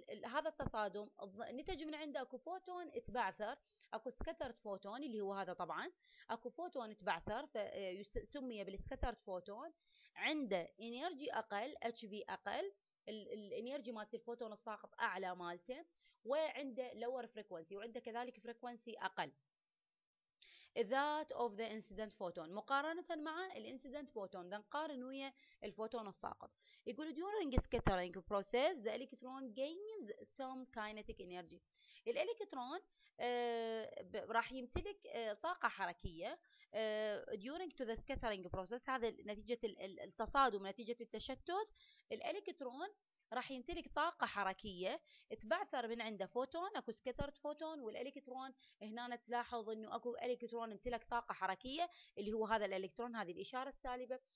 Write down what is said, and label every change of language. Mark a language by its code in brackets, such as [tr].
[ar] هذا التصادم نتج من عنده اكو فوتون تبعثر اكو scattered photon اللي هو هذا طبعا اكو فوتون تبعثر فسمي بال scattered photon عنده energy اقل HV اقل الانيرجي مالت الفوتون الساقط اعلى مالته، وعنده [en] lower frequency [ar] وعنده كذلك فريكوانسي اقل [en] that of the incident photon [ar] مقارنه مع الانسيدنت فوتون. ده نقارن ويا الفوتون الساقط. يقول [en] during scattering process the electron gains some kinetic energy. [ar] الالكترون راح يمتلك طاقه حركيه [en] during to the scattering process، [ar] هذا نتيجه التصادم نتيجه التشتت. الالكترون راح يمتلك طاقه حركيه تبعثر من عنده فوتون، اكو سكترت فوتون، والالكترون هنا تلاحظ انه اكو الكترون امتلك طاقه حركيه اللي هو هذا الالكترون، هذه الاشاره السالبه.